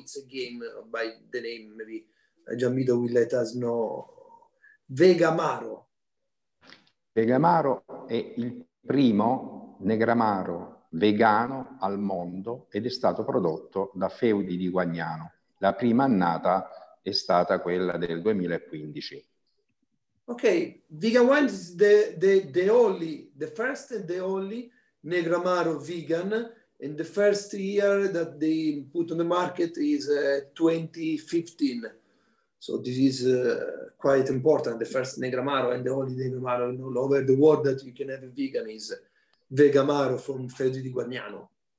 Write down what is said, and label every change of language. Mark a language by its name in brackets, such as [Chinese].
[English] It's a game by the name, maybe Gianvito will let us know. [Italian] Vegramaro. Vegramaro è il primo Negramaro vegano al mondo ed è stato prodotto da Feudo di Guagnano. La prima annata è stata quella del 2015. [English] Okay, vegan wine is the only, the first and the only Negramaro vegan, and the first year that they put on the market is 2015. So this is quite important, the first Negramaro and the only Negramaro in all over the world that you can have a vegan is Vegramaro from Feudo di Guagnano.